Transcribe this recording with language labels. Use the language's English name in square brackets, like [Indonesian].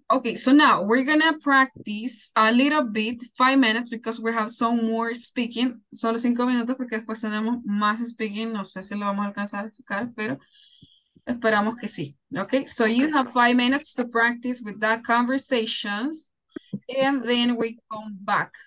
[English] Okay, so now we're gonna practice a little bit, 5 minutes, because we have some more speaking. [Spanish] Solo 5 minutos, porque después tenemos más speaking. No sé si lo vamos a alcanzar a tocar, pero esperamos que sí. [English] Okay, so you have 5 minutes to practice with that conversations, and then we come back.